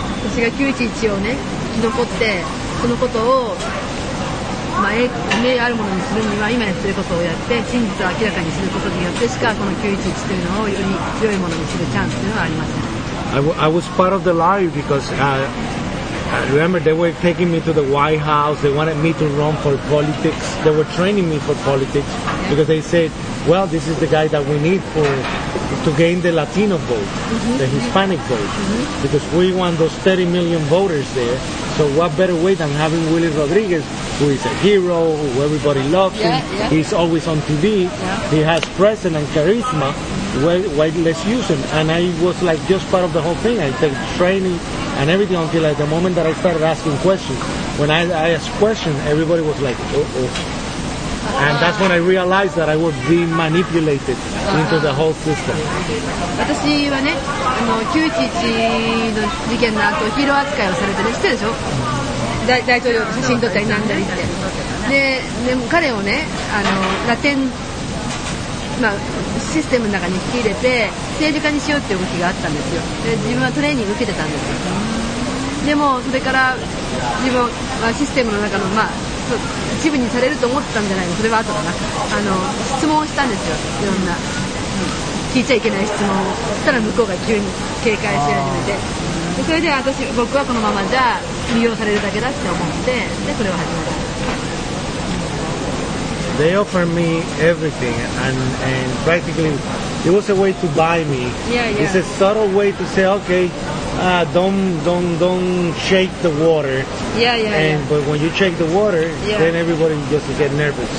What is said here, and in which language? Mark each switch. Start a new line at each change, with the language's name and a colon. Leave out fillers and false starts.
Japanese: 私が911をね、生き残って、そのことを、まあ、名あるものにするには今やってることをやって真実を明らかにすることによってしかこの911というのをより良いものにするチャンスというのはありません。
English: I was part of the lie because I remember they were taking me to the White House. They wanted me to run for politics. They were training me for politics because they said, well, this is the guy that we need for to gain the Latino vote, the Hispanic vote, because we want those 30 million voters there. So what better way than having Willy Rodriguez, who is a hero, who everybody loves him. He's always on TV. He has presence and charisma. Why let's use him? And I was like just part of the whole thing. I took training and everything until like the moment that I started asking questions. When I asked questions, everybody was like, And that's when I realized that I was being manipulated into the whole system.
Japanese: 私はね、あの911の事件の後、ヒーロー扱いをされてる、知ってるでしょ？大統領の写真撮ったりなんだりって。で、彼をね、あのラテン、まあ、システムの中に引き入れて政治家にしようっていう動きがあったんですよ。で、自分はトレーニング受けてたんですよ。でもそれから自分はシステムの中の、まあ、一部にされると思ったんじゃないの、それは後だな、あの質問をしたんですよ、いろんな、聞いちゃいけない質問を。そしたら向こうが急に警戒し始めて、でそれで私、僕はこのままじゃ利用されるだけだって思って、でそれを始めた。
English: They offered me everything and practically it was a way to buy me. Yeah, yeah. It's a subtle way to say, okay, don't shake the water. Yeah, yeah. And yeah. But when you shake the water, then everybody just get nervous.